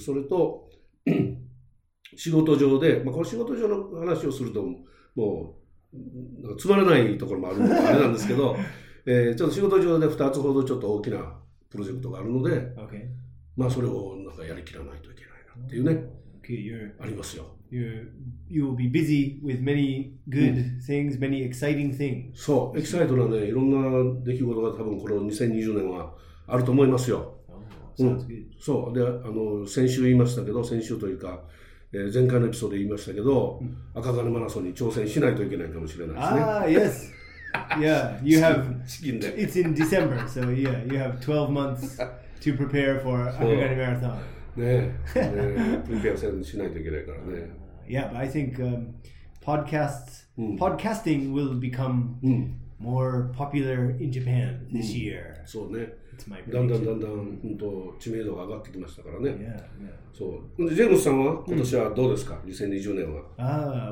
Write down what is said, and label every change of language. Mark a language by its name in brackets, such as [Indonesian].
[Japanese] それと仕事上で、まあ、この仕事上の話をするともうなんかつまらないところもあるのであれなんですけど、ちょっと仕事上で2つほどちょっと大きなプロジェクトがあるので、 okay. まあそれをなんかやりきらないといけないなっていうね、 okay. ありますよ。 [English] You will be busy with many good things, many exciting things. [Japanese] そう、エキサイトなね、いろんな出来事が多分この2020年はあると思いますよ。そう、で、先週言いましたけど、先週というか、前回のエピソードで言いましたけど、赤金マラソンに挑戦しないといけないかもしれないですね。 [English] ah, yes. Yeah, you have. It's in December, so yeah, you have 12 months to prepare for Akagane Marathon. Yeah, but I think podcasting will become more popular in Japan this year. So, yeah. [Japanese] だんだんだんだん本当知名度が上がってきましたからね。 Yeah, yeah. そう。ジェームスさんは今年はどうですか？2020年は。